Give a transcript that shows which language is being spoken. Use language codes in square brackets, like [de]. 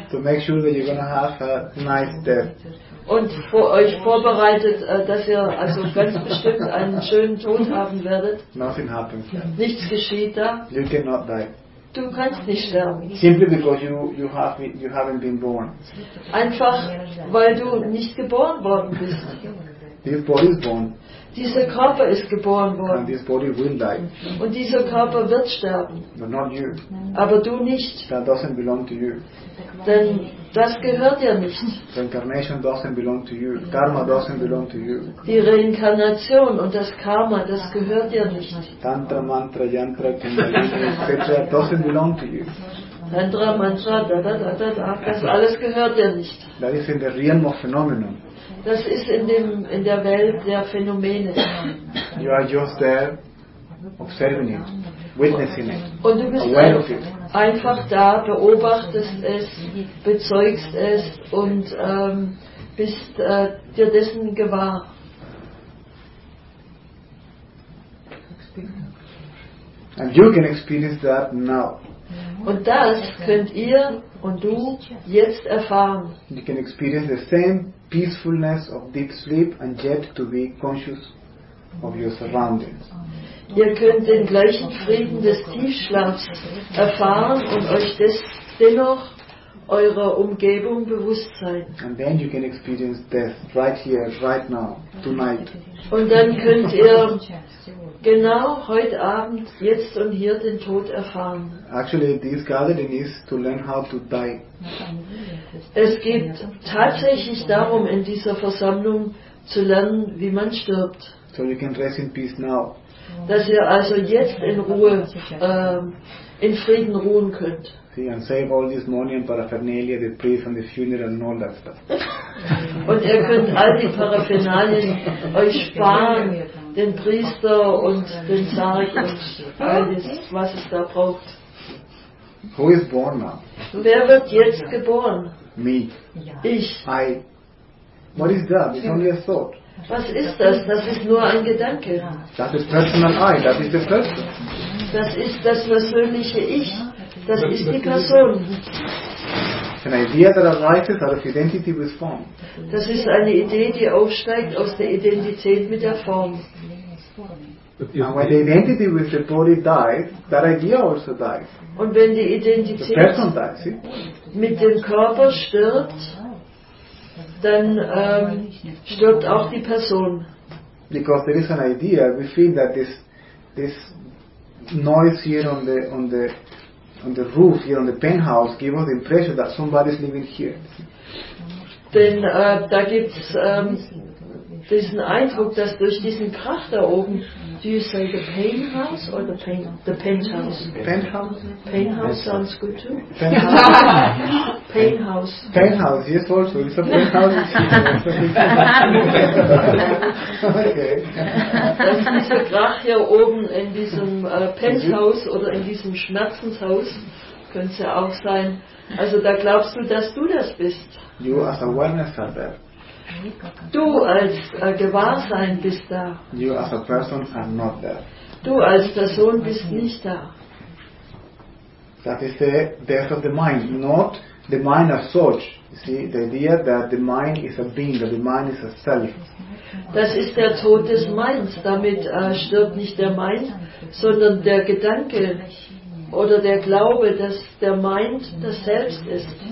[en] To make sure that you're gonna have a nice death. [de] Und vor euch vorbereitet, dass ihr also ganz bestimmt einen schönen Tod haben werdet. [en] Nothing happens. [de] Nichts geschieht da. [en] You cannot die. [de] Du kannst nicht sterben. [en] Simply because you haven't been born. [de] Einfach weil du nicht geboren worden bist. [en] This body is born. [de] Dieser Körper ist geboren worden. [en] And this body will die. [de] Und dieser Körper wird sterben. [en] But not you. [de] Aber du nicht. [en] That doesn't belong to you. [de] Denn das gehört ja nicht. [en] The incarnation doesn't belong to you. Karma doesn't belong to you. [de] Die Reinkarnation und das Karma, das gehört ja nicht. [en] Tantra, Mantra, Yantra, Kundalini, etc. doesn't belong to you. [de] Tantra, Mantra, das alles gehört ja nicht. [en] That is in the realm of phenomenon. [de] Das ist in der Welt der Phänomene. [en] You are just there observing it, witnessing it. [de] Und du bist [en] aware of it. [de] Einfach da, beobachtest es, bezeugst es und bist dir dessen gewahr. [en] And you can experience that now. [de] Und das könnt ihr und du jetzt erfahren. [en] You can experience the same peacefulness of deep sleep and yet to be conscious of your surroundings. [de] Ihr könnt den gleichen Frieden des Tiefschlafs erfahren und euch dennoch eurer Umgebung bewusst sein. [en] And then you can experience death right here, right now, tonight. [de] Und dann könnt ihr genau heute Abend, jetzt und hier den Tod erfahren. [en] Actually, this gathering is to learn how to die. [de] Es geht tatsächlich darum, in dieser Versammlung zu lernen, wie man stirbt. [en] So you can rest in peace now. [de] Dass ihr also jetzt in Ruhe, in Frieden ruhen könnt. [en] See, and save all this money and paraphernalia, the priest and the funeral and all that stuff. [de] Und ihr könnt all die Paraphernalien euch sparen, den Priester und den Sarg und alles, was es da braucht. [en] Who is born now? [de] Wer wird jetzt geboren? [en] Me. [de] Ich. [en] I. What is that? It's only a thought. [de] Was ist das? Das ist nur ein Gedanke. [en] That is personal I. That is the person. [de] Das ist das persönliche Ich. Das ist die Person. [en] An idea that arises out of identity with form. [de] Das ist eine Idee, die aufsteigt aus der Identität mit der Form. [en] And when the identity with the body dies, that idea also dies. [de] Und wenn die Identität [en] dies, [de] mit dem Körper stirbt, dann stirbt auch die Person. [en] Because there is an idea, we feel that this noise here on the roof here on the penthouse give us the impression that somebody is living here. [de] Denn da gibt es diesen Eindruck, dass durch diesen Krach da oben, [en] do you say the penthouse or the penthouse? Penthouse. Penthouse sounds good too. Penthouse. Penthouse. Penthouse, yes also. It's a penthouse. Okay. [de] Dass dieser Krach hier oben in diesem Penthouse oder in diesem Schmerzenshaus, könnte es ja auch sein, also da glaubst du, dass du das bist. [en] You as awareness are there. [de] Du als Gewahrsein bist da. [en] You as a person are not there. [de] Du als Person bist nicht da. [en] That is the death of the mind, not the mind as such. You see, the idea that the mind is a being, that the mind is a self. [de] Das ist der Tod des Minds. Damit stirbt nicht der Mind, sondern der Gedanke oder der Glaube, dass der Mind das Selbst ist.